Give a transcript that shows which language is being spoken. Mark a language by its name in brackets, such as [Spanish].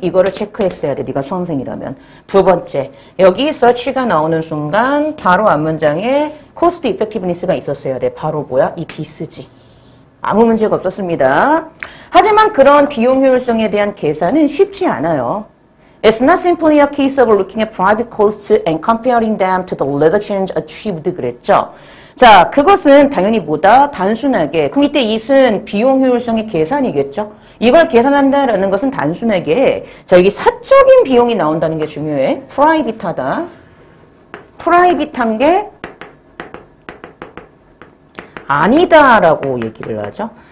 [Korean] 이거를 체크했어야 돼. 네가 수험생이라면. 두 번째, 여기 search가 나오는 순간 바로 앞 문장에 cost effectiveness가 있었어야 돼. 바로 뭐야? 이 this지. 아무 문제가 없었습니다. 하지만 그런 비용 효율성에 대한 계산은 쉽지 않아요. [English] It's not simply a case of looking at private costs and comparing them to the reductions achieved [Korean] 그랬죠. 자, 그것은 당연히 뭐다? 단순하게. 그럼 이때 it은 비용 효율성의 계산이겠죠? 이걸 계산한다라는 것은 단순하게. 자, 여기 사적인 비용이 나온다는 게 중요해. 프라이빗하다. 프라이빗한 게 아니다라고 얘기를 하죠.